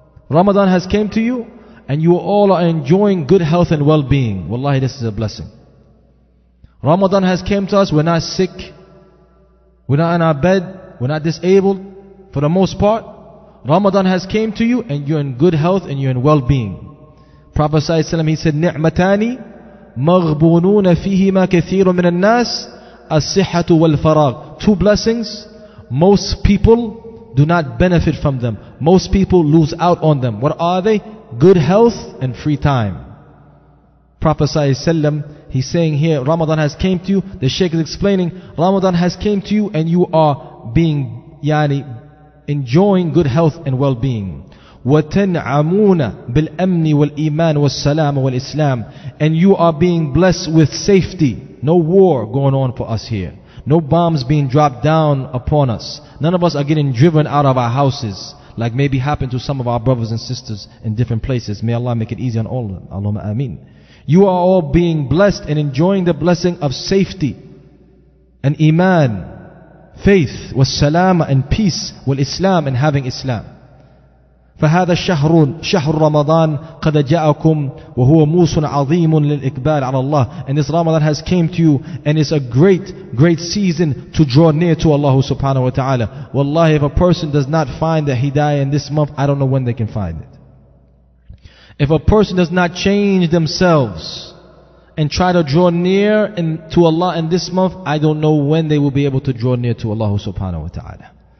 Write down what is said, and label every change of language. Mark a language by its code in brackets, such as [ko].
[en] Ramadan has came to you and you all are enjoying good health and well-being. Wallahi, this is a blessing. Ramadan has came to us, we're not sick, we're not in our bed, we're not disabled for the most part. Ramadan has came to you and you're in good health and you're in well-being. Prophet Sallallahu Alaihi Wasallam, he said, [ar] نِعْمَتَانِ مَغْبُونُونَ فِيهِمَا كَثِيرٌ مِنَ النَّاسِ الصِّحَّةُ وَالْفَرَاغُ. [en] Two blessings, most people do not benefit from them. Most people lose out on them. What are they? Good health and free time. Prophet Sallallahu Alaihi Wasallam, he's saying here, Ramadan has came to you. The Shaykh is explaining, Ramadan has came to you and you are being, yani, enjoying good health and well-being. [ar] وَتَنْعَمُونَ بِالْأَمْنِ وَالْإِيمَانِ وَالسَّلَامِ وَالْإِسْلَامِ. [en] And you are being blessed with safety. No war going on for us here. No bombs being dropped down upon us. None of us are getting driven out of our houses, like maybe happened to some of our brothers and sisters in different places. May Allah make it easy on all of them. Allahumma ameen. You are all being blessed and enjoying the blessing of safety and iman, faith, والسلام and peace, والإسلام and having Islam. [ar] فهذا الشهر شهر رمضان قد جاءكم وهو موسم عظيم للإقبال على الله. [en] And this Ramadan has came to you and it's a great, great season to draw near to Allah subhanahu wa ta'ala. Wallahi, if a person does not find the hidayah in this month, I don't know when they can find it. If a person does not change themselves and try to draw near in, to Allah in this month, I don't know when they will be able to draw near to Allah subhanahu wa ta'ala.